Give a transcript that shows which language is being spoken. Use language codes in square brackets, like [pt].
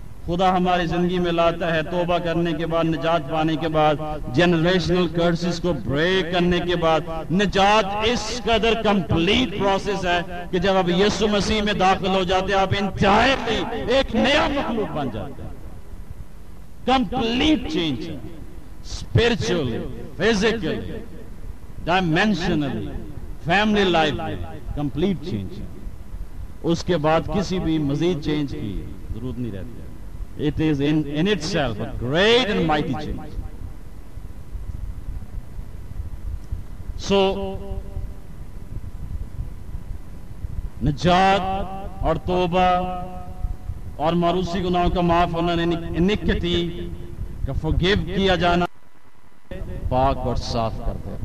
[ur] خدا ہماری زندگی میں لاتا ہے توبہ کرنے کے بعد، نجات پانے کے بعد، جنریشنل کرسز کو بریک کرنے کے بعد نجات اس قدر کمپلیٹ پروسیس ہے کہ جب آپ یسوع مسیح میں داخل ہو جاتے ہیں آپ انتہائی ایک نیا مخلوق بن جاتے ہیں، [en] complete change spiritually, physically, dimensionally, family life complete change [ur] ہے. اس کے بعد کسی بھی مزید چینج کی ضرورت نہیں رہتی. [en] It is in itself a great and mighty change. [ur] So, نجات اور توبہ اور معروسی گناہوں کا معاف ہونا، انیکوٹی کا فورگیو کیا جانا، پاک اور صاف کرتا ہے.